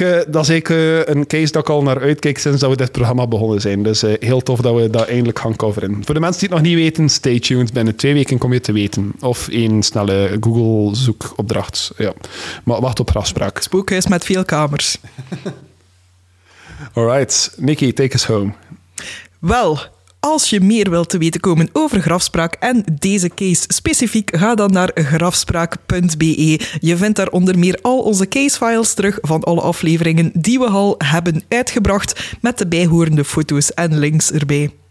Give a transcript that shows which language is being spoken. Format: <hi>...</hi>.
<nl>Dat is eigenlijk een case dat ik al naar uitkijk sinds dat we dit programma begonnen zijn. Dus heel tof dat we dat eindelijk gaan coveren. Voor de mensen die het nog niet weten,</nl> <en>stay tuned.</en> <nl>Binnen 2 weken kom je te weten. Of een snelle Google-zoekopdracht. Ja. Maar wacht op afspraak. Spookhuis met veel kamers.</nl> <en>Alright, Nicky, take us home.</en> <nl>Wel... Als je meer wilt te weten komen over Grafspraak en deze case specifiek, ga dan naar grafspraak.be. Je vindt daar onder meer al onze casefiles terug van alle afleveringen die we al hebben uitgebracht, met de bijhorende foto's en links erbij.</nl>